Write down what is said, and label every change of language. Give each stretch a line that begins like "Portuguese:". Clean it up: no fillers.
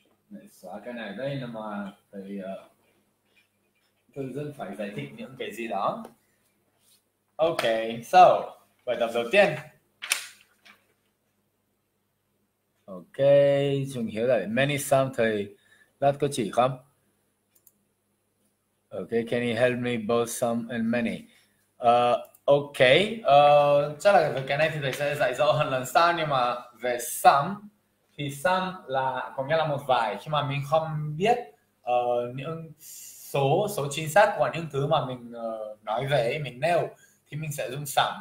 Vietnamese: Để xóa cái này đây, nếu mà thầy thường dân phải giải thích những cái gì đó. Ok, so, bài tập đầu tiên. Ok, chúng hiểu là many some thầy lát có chỉ không?
English: Okay, can you help me both some and many?
Vietnamese: Okay, chắc là về cái này thì thầy sẽ dạy rõ hơn lần sau, nhưng mà về some thì some là có nghĩa là một vài, khi mà mình không biết những số chính xác của những thứ mà mình nói về, mình nêu thì mình sẽ dùng some.